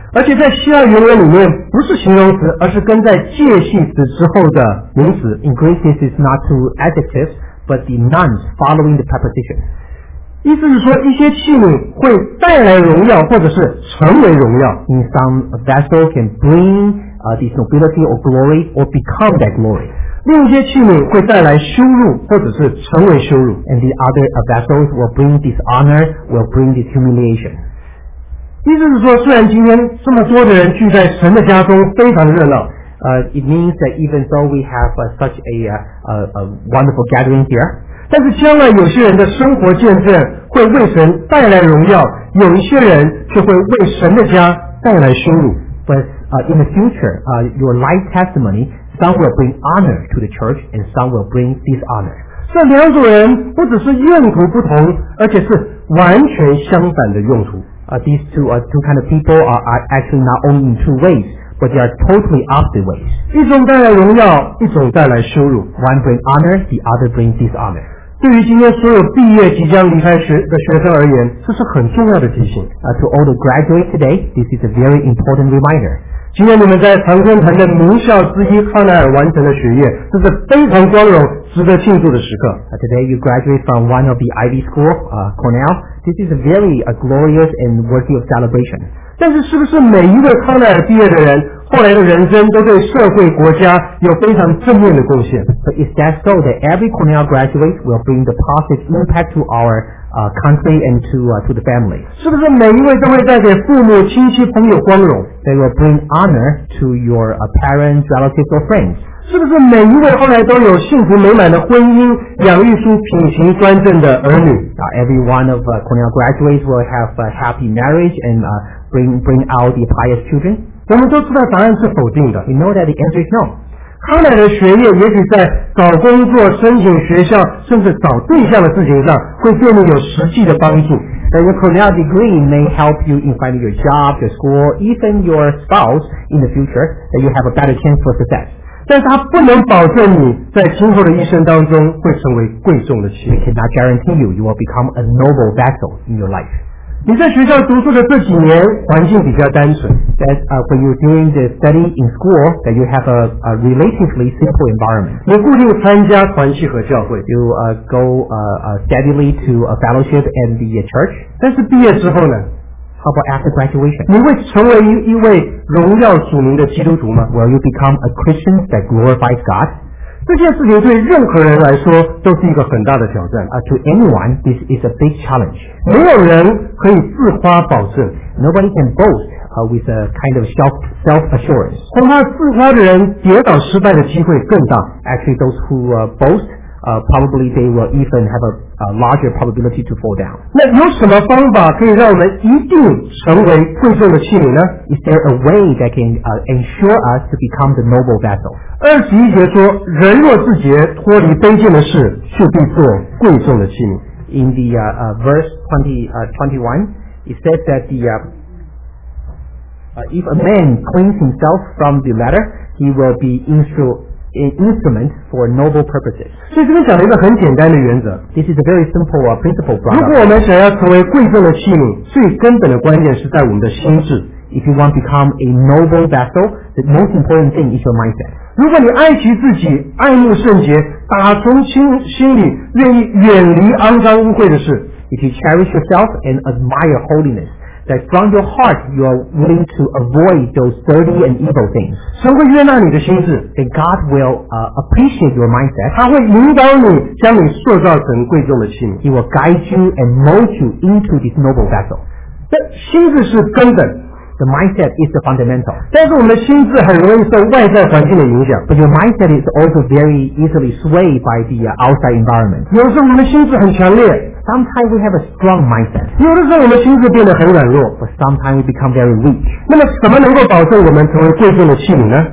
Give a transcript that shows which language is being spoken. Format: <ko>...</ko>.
<zh>而且在希腊原文里面不是形容词，而是跟在介系词之后的名词。</zh> <en>In Greek, this is not two adjectives, but the nouns following the preposition.</en> <zh>意思是说一些器皿会带来荣耀或者是成为荣耀</zh> <en>In some vessel can bring this nobility or glory or become that glory</en> <zh>另一些器皿会带来羞辱或者是成为羞辱</zh> <en>And the other vessels will bring dishonor will bring this humiliation</en> <zh>意思是说虽然今天这么多的人聚在神的家中非常热闹</zh> <en>It means that even though we have such a wonderful gathering here</en> <zh>但是将来有些人的生活见证会为神带来荣耀，有一些人却会为神的家带来羞辱。</zh> <en>But in the future, your life testimony, some will bring honor to the church and some will bring dishonor.</en> <zh>这两种人不只是用途不同，而且是完全相反的用途。</zh> <en>These two kind of people are actually not only in two ways. But they are totally opposite ways.</en> <zh>一种带来荣耀，一种带来羞辱。</zh> <en>One brings honor, the other brings dishonor.</en> <zh>对于今天所有毕业即将离开的学生而言，这是很重要的提醒。</zh> <en>To all the graduates today, this is a very important reminder.</en> <zh>今天你们在常春藤的名校之一康奈尔完成了学业，这是非常光荣、值得庆祝的时刻。</zh> <en>Today you graduate from one of the Ivy School, Cornell. This is a very glorious and worthy of celebration.</en> <zh>但是是不是每一位康奈尔毕业的人后来的人生都对社会国家有非常正面的贡献</zh> <en>But is that so that every Cornell graduate will bring the positive impact to our country and to the family</en> <zh>是不是每一位都会带给父母亲戚朋友光荣</zh> <en>They will bring honor to your parents, relatives or friends</en> <zh>是不是每一位后来都有幸福美满的婚姻养育出品行端正的儿女</zh> <en>Every one of Cornell graduates will have a happy marriage andbring out the pious children.</en> <zh>我们都知道答案是否定的。</zh> <en>We know that the answer is no.</en> <zh>康乃的学业也许在找工作、申请学校、甚至找对象的事情上会对你有实际的帮助。</zh> <en>But your Cornell degree may help you in finding your job, your school, even your spouse in the future, that you have a better chance for success.</en> <zh>但是它不能保证你在今后的一生当中会成为贵重的器皿。</zh> <en>It cannot guarantee you you will become a noble vessel in your life.</en> <zh>你在学校读书的这几年环境比较单纯</zh> <en>that, when you're doing the study in school that you have a relatively simple environment</en> <zh>你固定参加团契和教会</zh> <en>you go steadily to a fellowship and the church</en> <zh>但是毕业之后呢</zh> <en>how about after graduation</en> <zh>你会成为一位荣耀主名的基督徒吗</zh> <en>will you become a Christian that glorifies God</en> <zh>这件事情对任何人来说都是一个很大的挑战。</zh> <en>To anyone, this is a big challenge.</en> <zh>没有人可以自夸保证。</zh> <en>Nobody can boast, with a kind of self-assurance.</en> <zh>恐怕自夸的人跌倒失败的机会更大。</zh> <en>Actually, those who boast, probably they will even have a larger probability to fall down.</en> <zh>那有什么方法可以让我们一定成为贵重的器皿呢？</zh> <en>Is there a way that can ensure us to become the noble vessel?</en> <zh>二十一节说，人若自洁，脱离卑贱的事，就必做贵重的器皿。</zh> <en>In the verse 21, it says that if a man cleans himself from the latter, he will be instrument for noble purposes.</en> <zh>所以这边讲了一个很简单的原则。</zh> <en>This is a very simple principle.</en> <zh>如果我们想要成为贵重的器皿，最根本的关键是在我们的心智。</zh> <en>If you want to become a noble vessel, the most important thing is your mindset.</en> <zh>如果你爱惜自己，爱慕圣洁，打从心里愿意远离肮脏污秽的事。</zh> <en>If you cherish yourself and admire holiness, that from your heart you are willing to avoid those dirty and evil things.</en> <zh>神会悦纳你的心智。</zh> <en>Then God will appreciate your mindset.</en> <zh>他会引导你，将你塑造成贵重的器皿。</zh> <en>He will guide you and mold you into this noble vessel.</en> <zh>这心智是根本。</zh> <en>The mindset is the fundamental.</en> <zh>但是我们的心智很容易受外在环境的影响。</zh> <en>But your mindset is also very easily swayed by the outside environment.</en> <zh>有时候我们的心智很强烈。</zh> <en>Sometimes we have a strong mindset.</en> <zh>有的时候我们心智变得很软弱。</zh> <en>But sometimes we become very weak.</en> <zh>那么什么能够保证我们成为贵重的器皿呢？</zh>